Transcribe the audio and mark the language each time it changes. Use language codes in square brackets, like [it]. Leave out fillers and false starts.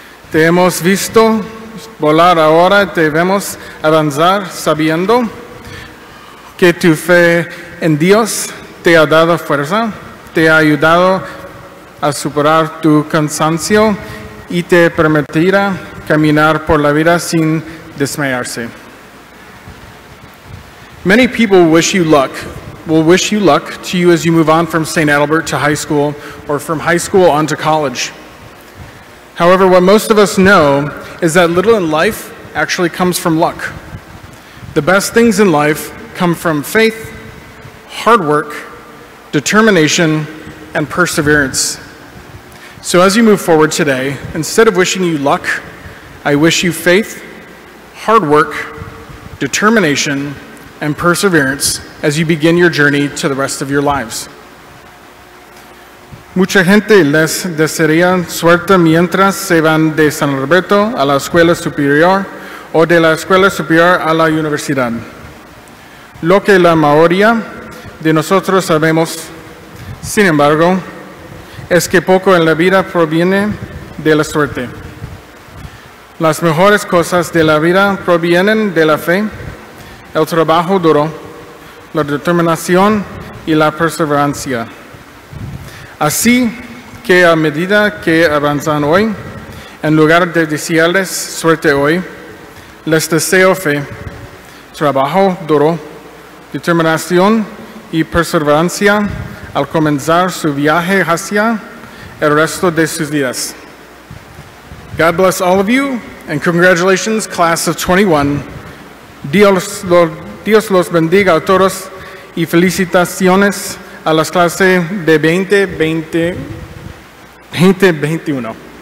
[es] Te hemos visto volar ahora, debemos avanzar sabiendo que tu fe en Dios te ha dado fuerza, te ha ayudado a superar tu cansancio y te permitirá caminar por la vida sin desmayarse. [en] Many people will wish you luck to you as you move on from St. Albert to high school or from high school on to college. However, what most of us know is that little in life actually comes from luck. The best things in life come from faith, hard work, determination, and perseverance. So as you move forward today, instead of wishing you luck, I wish you faith, hard work, determination, and perseverance as you begin your journey to the rest of your lives. [es] Mucha gente les desearía suerte mientras se van de San Alberto a la escuela superior o de la escuela superior a la universidad. Lo que la mayoría de nosotros sabemos, sin embargo, es que poco en la vida proviene de la suerte. Las mejores cosas de la vida provienen de la fe, el trabajo duro, la determinación y la perseverancia. Así que a medida que avanzan hoy, en lugar de desearles suerte hoy, les deseo fe, trabajo duro, determinación y perseverancia al comenzar su viaje hacia el resto de sus vidas. [en] God bless all of you, and congratulations, class of 21. [es] Dios los bendiga a todos, y felicitaciones a las clases de 2021.